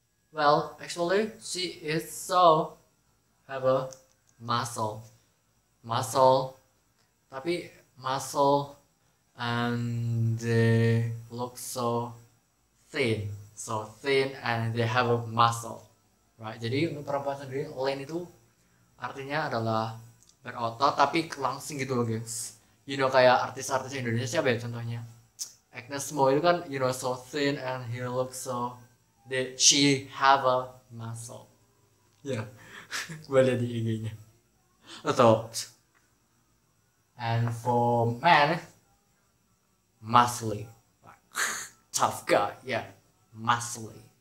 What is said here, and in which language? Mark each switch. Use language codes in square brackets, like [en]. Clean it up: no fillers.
[en] Well, actually, she is so have a muscle. Muscle, [id] tapi [en] muscle and they look so thin. So thin and they have a muscle. Right. [id] Jadi untuk perempuan sendiri, lean itu artinya adalah berotot tapi langsing gitu loh, guys. [en] You know [id] kayak artis-artis Indonesia siapa ya contohnya? [en] Agnes Mo itu kan you know so thin and he looks so that she have a muscle. Yeah. [id] Gue liat di IG-nya. Atau [en] and for man, muscly, tough guy, yeah, muscly.